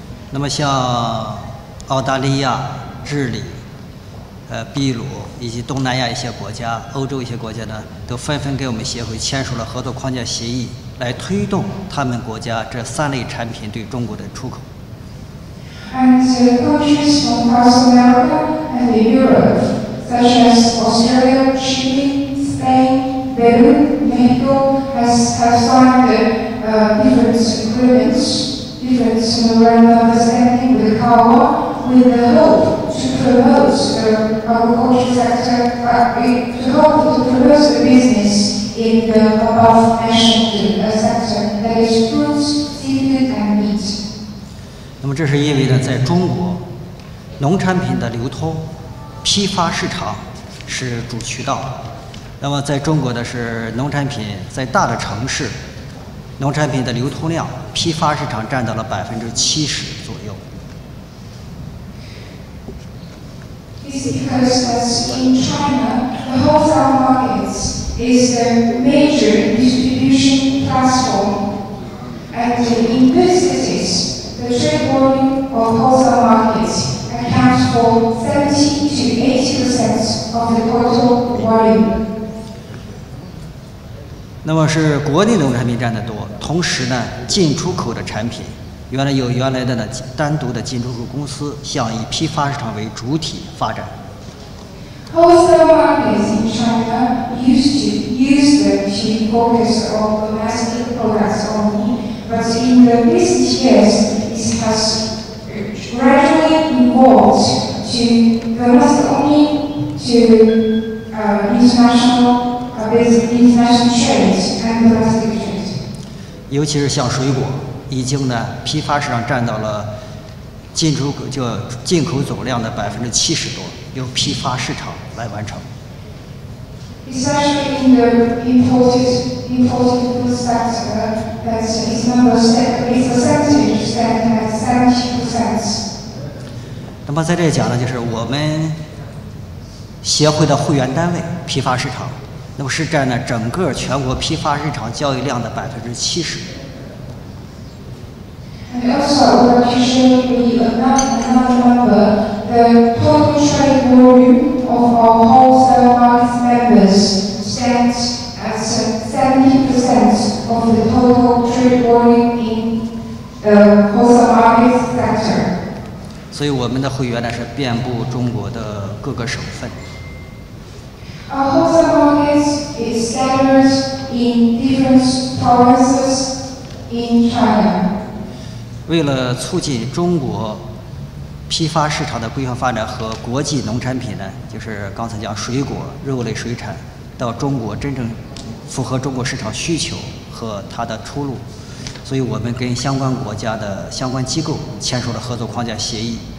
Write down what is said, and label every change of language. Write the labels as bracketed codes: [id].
[zh] 那么像澳大利亚、智利秘鲁以及东南亚一些国家、欧洲一些国家呢，都纷纷跟我们协会签署了合作框架协议，来推动他们国家这三类产品对中国的出口。 [en] And the countries from South America and Europe, such as Australia, Chile, Spain, Peru, Mexico, have signed different agreements, different memorandum of understanding with CAWA, with the hope to promote the agriculture sector, to promote the business in the above-mentioned sector, that is fruits, seafood, and meat. [zh] 那么这是因为呢，在中国，农产品的流通、批发市场是主渠道。那么在中国的是农产品在大的城市，农产品的流通量、批发市场占到了70%左右。 [en] It's because that in China, the wholesale markets is the major distribution platform, and in most cities. The trade volume of wholesale markets accounts for 70% to 80% of the total volume. [zh] 那么是国内农产品占的多，同时呢，进出口的产品，原来有原来的呢单独的进出口公司，向以批发市场为主体发展。 [en] Wholesale markets in China used them to focus on domestic products only, but in the recent years. Has gradually evolved to domestic only to international trade and domestic trade. [zh] 尤其是像水果，已经呢批发市场占到了进口总量的70%多，由批发市场来完成。 [en] Especially in the imported food sector, that its percentage stands at 70%. [zh] 那么在这讲呢，就是我们协会的会员单位批发市场，那么是占了整个全国批发市场交易量的70%。 [en] And also, I would like to show you another number, the total trade volume of our wholesale market members stands at 70% of the total trade volume in the wholesale market sector. [zh] 所以我们的会员呢是遍布中国的各个省份。 [en] Our wholesale market is scattered in different provinces in China. [zh] 为了促进中国批发市场的规划发展和国际农产品呢，就是刚才讲水果、肉类、水产到中国真正符合中国市场需求和它的出路，所以我们跟相关国家的相关机构签署了合作框架协议。